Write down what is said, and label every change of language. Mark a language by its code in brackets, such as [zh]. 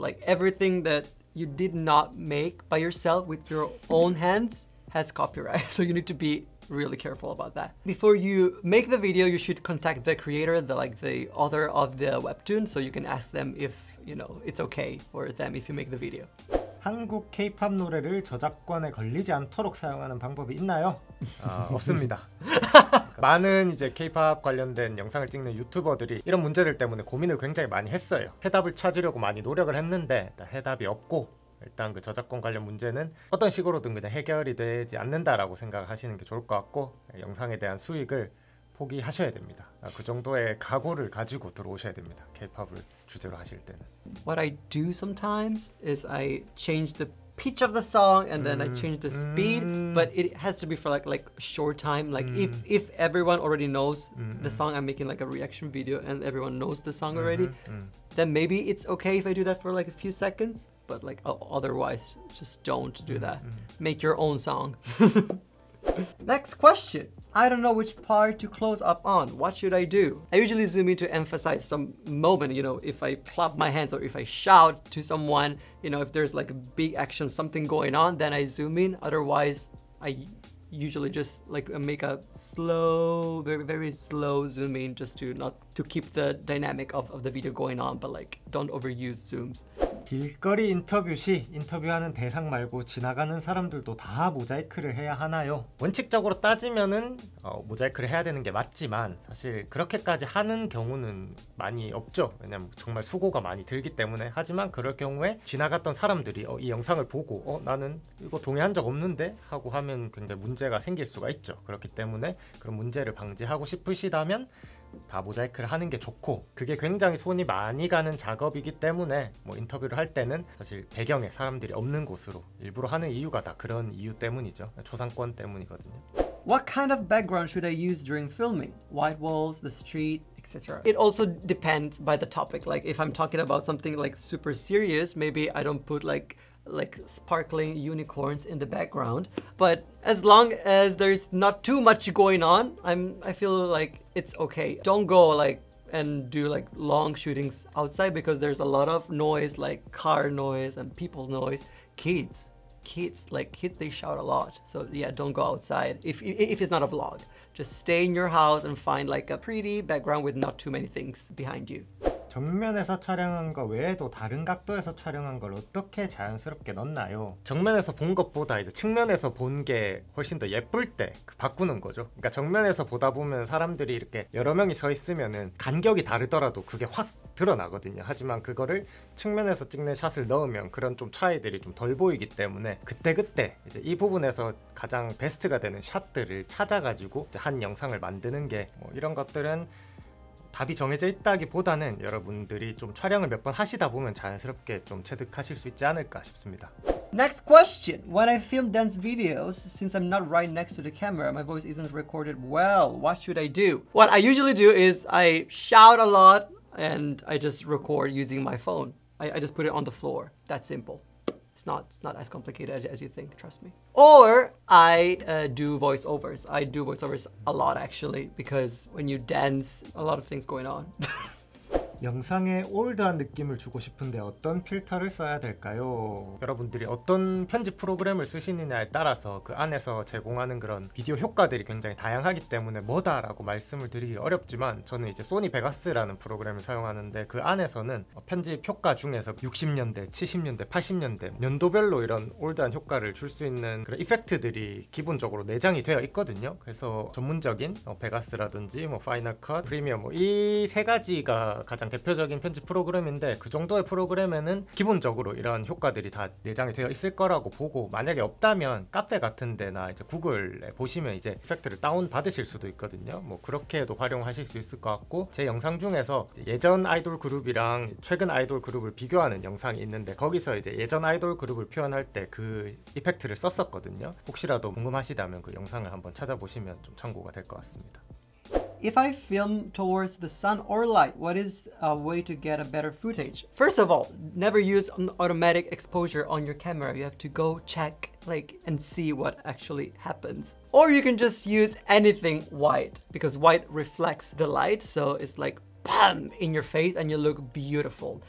[en] Like everything that you did not make by yourself with your own hands has copyright. So you need to be really careful about that. Before you make the video, you should contact the creator, the author of the webtoon, so you can ask them if you know, it's okay for them if you make the video. [ko] 한국 K-pop 노래를 저작권에 걸리지 않도록 사용하는 방법이 있나요? 없습니다. 많은 이제 K-pop 관련된 영상을 찍는 유튜버들이 이런 문제들 때문에 고민을 굉장히 많이 했어요. 해답을 찾으려고 많이 노력을 했는데 해답이 없고 일단 그 저작권 관련 문제는 어떤 식으로든 그냥 해결이 되지 않는다라고 생각하시는 게 좋을 것 같고 영상에 대한 수익을 포기하셔야 됩니다. 그 정도의 각오를 가지고 들어오셔야 됩니다. K-pop을 주제로 하실 때는. [en] What I do sometimes is I change the pitch of the song and then I change the speed, but it has to be for like short time. Like if everyone already knows the song, I'm making like a reaction video and everyone knows the song already, then maybe it's okay if I do that for like a few seconds, but like otherwise just don't do that. Make your own song. Next question. I don't know which part to close up on. What should I do? I usually zoom in to emphasize some moment, you know, if I clap my hands or if I shout to someone, you know, if there's like a big action, something going on, then I zoom in. Otherwise, I usually just like make a slow, very, very slow zoom in just to not to keep the dynamic of the video going on, but like don't overuse zooms. [ko] 길거리 인터뷰 시 인터뷰하는 대상 말고 지나가는 사람들도 다 모자이크를 해야 하나요? 원칙적으로 따지면은 모자이크를 해야 되는 게 맞지만 사실 그렇게까지 하는 경우는 많이 없죠. 왜냐면 정말 수고가 많이 들기 때문에. 하지만 그럴 경우에 지나갔던 사람들이 이 영상을 보고 나는 이거 동의한 적 없는데 하고 하면 굉장히 문제가 생길 수가 있죠. 그렇기 때문에 그런 문제를 방지하고 싶으시다면 다 모자이크를 하는 게 좋고 그게 굉장히 손이 많이 가는 작업이기 때문에 뭐 인터뷰를 할 때는 사실 배경에 사람들이 없는 곳으로 일부러 하는 이유가 다 그런 이유 때문이죠. 초상권 때문이거든요. [en] What kind of background should I use during filming? White walls, the street, etc. It also depends by the topic. Like if I'm talking about something like super serious, maybe I don't put like sparkling unicorns in the background, but as long as there's not too much going on, I feel like it's okay. Don't go like and do like long shootings outside because there's a lot of noise, like car noise and people noise, kids, they shout a lot. So yeah, don't go outside if it's not a vlog. Just stay in your house and find like a pretty background with not too many things behind you. [ko] 정면에서 촬영한 거 외에도 다른 각도에서 촬영한 걸 어떻게 자연스럽게 넣나요? 정면에서 본 것보다 이제 측면에서 본 게 훨씬 더 예쁠 때 바꾸는 거죠. 그러니까 정면에서 보다 보면 사람들이 이렇게 여러 명이 서 있으면은 간격이 다르더라도 그게 확 드러나거든요. 하지만 그거를 측면에서 찍는 샷을 넣으면 그런 좀 차이들이 좀 덜 보이기 때문에 그때그때 이제 이 부분에서 가장 베스트가 되는 샷들을 찾아가지고 한 영상을 만드는 게 뭐 이런 것들은 답이 정해져 있다기보다는 여러분들이 좀 촬영을 몇 번 하시다 보면 자연스럽게 좀 체득하실 수 있지 않을까 싶습니다. [en] Next question. When I film dance videos, since I'm not right next to the camera, my voice isn't recorded well. What should I do? What I usually do is I shout a lot and I just record using my phone. I just put it on the floor. That's simple. It's not as complicated as you think, trust me. Or I do voiceovers. I do voiceovers a lot, actually, because when you dance, a lot of things going on. [ko] 영상에 올드한 느낌을 주고 싶은데 어떤 필터를 써야 될까요? 여러분들이 어떤 편집 프로그램을 쓰시느냐에 따라서 그 안에서 제공하는 그런 비디오 효과들이 굉장히 다양하기 때문에 뭐다라고 말씀을 드리기 어렵지만, 저는 이제 소니 베가스라는 프로그램을 사용하는데 그 안에서는 편집 효과 중에서 60년대, 70년대, 80년대 연도별로 이런 올드한 효과를 줄 수 있는 그런 이펙트들이 기본적으로 내장이 되어 있거든요. 그래서 전문적인 베가스라든지 뭐 파이널 컷, 프리미어 뭐 이 세 가지가 가장 대표적인 편집 프로그램인데, 그 정도의 프로그램에는 기본적으로 이런 효과들이 다 내장이 되어 있을 거라고 보고, 만약에 없다면 카페 같은 데나 이제 구글에 보시면 이제 이펙트를 다운 받으실 수도 있거든요. 뭐 그렇게도 활용하실 수 있을 것 같고, 제 영상 중에서 예전 아이돌 그룹이랑 최근 아이돌 그룹을 비교하는 영상이 있는데, 거기서 이제 예전 아이돌 그룹을 표현할 때 그 이펙트를 썼었거든요. 혹시라도 궁금하시다면 그 영상을 한번 찾아보시면 좀 참고가 될 것 같습니다. [en] If I film towards the sun or light, what is a way to get a better footage? First of all, never use an automatic exposure on your camera. You have to go check like and see what actually happens. Or you can just use anything white because white reflects the light, so it's like bam in your face and you look beautiful.